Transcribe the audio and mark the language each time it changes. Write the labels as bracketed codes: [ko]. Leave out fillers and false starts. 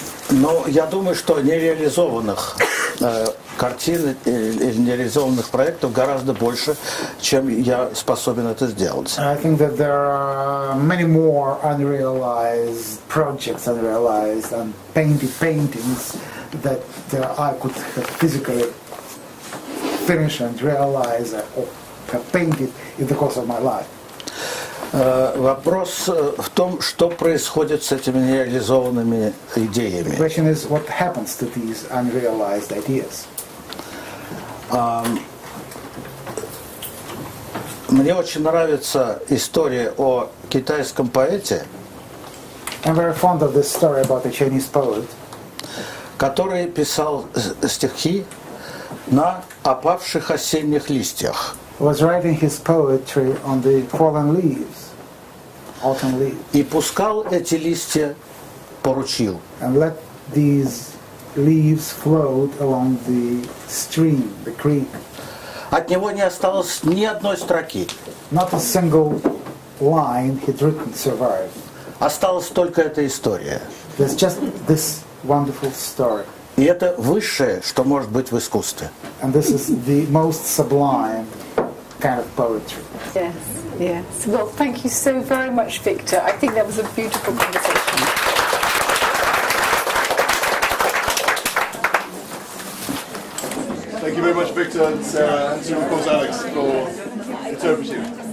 [ru] Но я думаю, что нереализованных картин или нереализованных проектов гораздо больше, чем я способен это сделать. [en] I think that there are many more unrealized projects, unrealized and painted paintings that I could have physically finished and realized or have painted in the course of my life. [ru] Вопрос в том, что происходит с этими нереализованными идеями. [en] The question is, what happens to these unrealized ideas? [ru] Мне очень нравится история о китайском поэте. [en] I'm very fond of this story about a Chinese poet. [ru] Который писал стихи на опавших осенних листьях. [en] was writing his poetry on the fallen leaves, autumn leaves. [ru] И пускал эти листья по ручью. [en] And let these leaves float along the stream, the creek. [ru] От него не осталось ни одной строки. [en] Not a single line he'd written survived. [ru] Осталась только эта история. [en] There's just this wonderful story. [ru] И это высшее, что может быть в искусстве. [en] And this is the most sublime kind of poetry. Yes, yes. Well, thank you so very much, Victor. I think that was a beautiful conversation. Thank you very much, Victor, and to, of course, Alex for interpreting.